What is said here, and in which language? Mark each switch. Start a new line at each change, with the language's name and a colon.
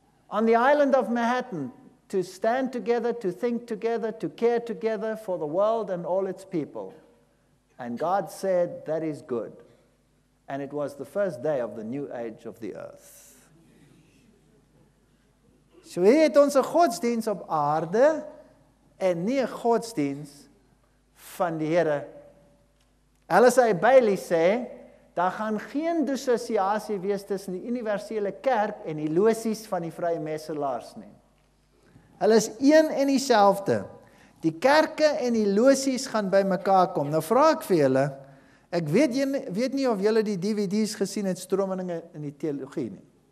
English: On the island of Manhattan, to stand together, to think together, to care together for the world and all its people. And God said, that is good. And it was the first day of the new age of the earth.
Afrikaans: So hier het ons 'n godsdienst op aarde en nie 'n godsdienst van die Here. LSI Bailey sê, daar gaan geen dissosiasie wees tussen die universele kerk en die losies van die vrye messelaars nie. Hulle is een en dieselfde. Die kerke en die losies gaan by mekaar kom. Nou vra ek vir julle, ek weet nie of julle die DVD's gesien het, Strominge in die Teologie nie.